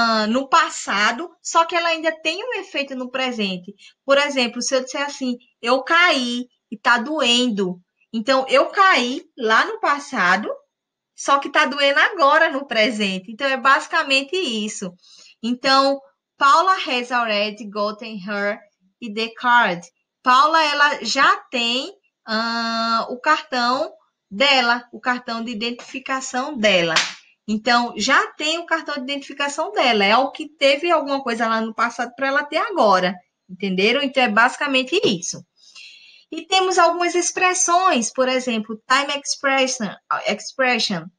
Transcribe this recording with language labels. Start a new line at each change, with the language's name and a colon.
Portuguese: No passado, só que ela ainda tem um efeito no presente. Por exemplo, se eu disser assim, eu caí e tá doendo. Então, eu caí lá no passado, só que tá doendo agora no presente. Então, é basicamente isso.
English: Então, Paula has already gotten her ID card.
Portuguese: Paula, ela já tem o cartão dela, o cartão de identificação dela. Então, já tem o cartão de identificação dela. É o que teve alguma coisa lá no passado para ela ter agora. Entenderam? Então, é basicamente isso. E temos algumas expressões, por exemplo, time expression.